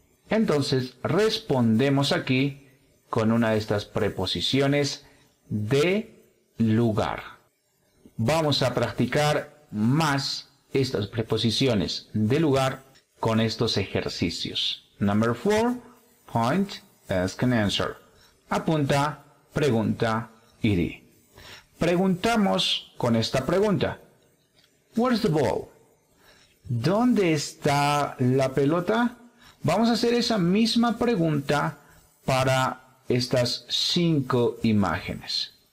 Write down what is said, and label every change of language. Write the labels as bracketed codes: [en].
[es] Entonces respondemos aquí con una de estas preposiciones de lugar. Vamos a practicar más estas preposiciones de lugar con estos ejercicios. [en] Number 4, point, ask and answer. [es] Apunta, pregunta y di. Preguntamos con esta pregunta. [en] Where's the ball? [es] ¿Dónde está la pelota? Vamos a hacer esa misma pregunta para estas 5 imágenes.